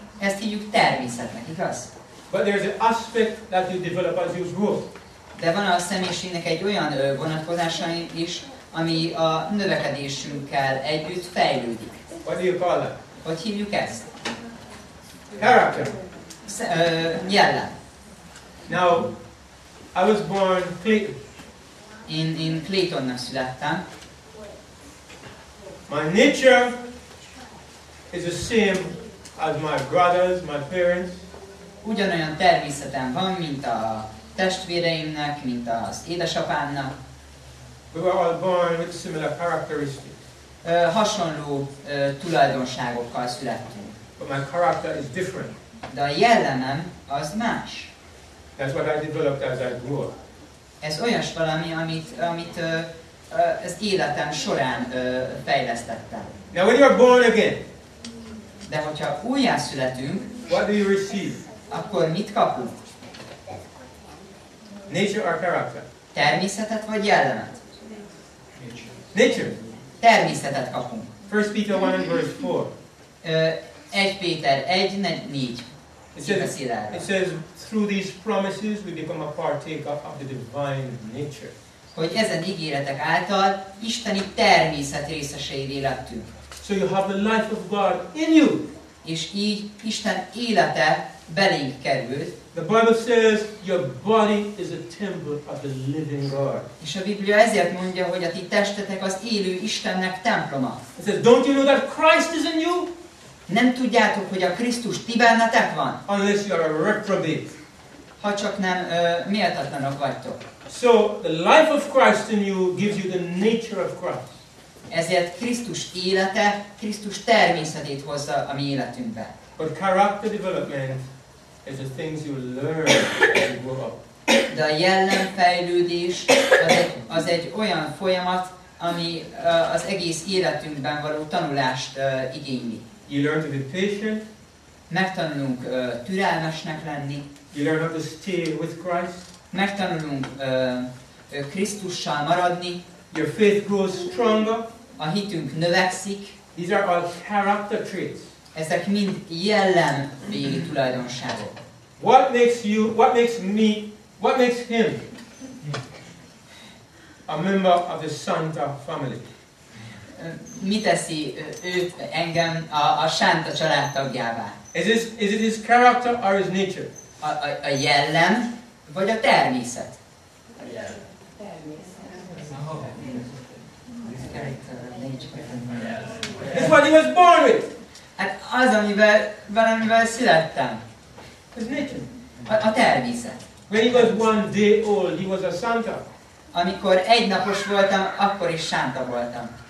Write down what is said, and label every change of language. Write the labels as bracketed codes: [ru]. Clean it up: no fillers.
[hu] Ezt hívjuk természetnek, igaz? [en] But there is an aspect that you develop as you grow. [hu] De van a személyiségnek egy olyan vonatkozása is, ami a növekedésünkkel együtt fejlődik. [en] What do you call that? [hu] Hogy hívjuk ezt? [en] Character. [hu] Jellem. [en] Now, I was born Clayton. [hu] In Claytonnak születtem. [en] My nature is the same as my brothers, my parents. [hu] ugyanolyan természetem van, mint a testvéreimnek, mint az édesapámnak. [en] We were all born with similar characteristics. [hu] Hasonló tulajdonságokkal születtünk. [en] But my character is different. [hu] De a jellemem az más. [en] That's what I developed as I grew up. [hu] Ez olyas valami, amit ezt életem során fejlesztettem. [en] Now when you are born again. [hu] De hogyha újjászületünk, [en] what do you receive? [hu] Akkor mit kapunk? [en] Nature or character? [hu] Természetet vagy jellemet? [en] Nature. [hu] Természetet kapunk. [en] 1 Peter 1 and verse 4. [hu] 1 Péter 1, 4. [en] It says through these promises we become a partaker of the divine nature. [hu] Hogy ezen ígéretek által isteni természet részeseivé lettünk. [en] So you have the life of God in you. [hu] És így Isten élete belénk került. [en] The Bible says your body is a temple of the living God. [hu] És a Biblia ezért mondja, hogy a ti testetek az élő Istennek temploma. [en] It says, don't you know that Christ is in you? [hu] Nem tudjátok, hogy a Krisztus ti bennetek van? [en] Unless you are a reprobate. [hu] Ha csak nem méltatlanok vagytok. [en] So the life of Christ in you gives you the nature of Christ. [hu] Ezért Krisztus élete, Krisztus természetét hozza a mi életünkbe. [en] But character development is the things you learn as you grow up. [hu] De a jellemfejlődés az egy olyan folyamat, ami az egész életünkben való tanulást igényli. [en] You learn to be patient. [hu] Megtanulunk türelmesnek lenni. [en] You learn how to stay with Christ. [hu] Megtanulunk Krisztussal maradni. [en] Your faith grows stronger. [hu] A hitünk növekszik. [en] These are all character traits. [hu] Ezek mind jellemvégi tulajdonságok. [en] What makes you, what makes me, what makes him a member of the Santa family? [hu] Mi teszi őt engem a Santa családtagjává? [en] Is it his character or his nature? [hu] A jellem vagy a természet? A jellem. [en] It's what he was born with. [hu] Hát az, amivel valamivel születtem. [en] His nature. [hu] A természet. [en] When he was one day old, he was a Santa. [hu] Amikor egy napos voltam, akkor is Santa voltam.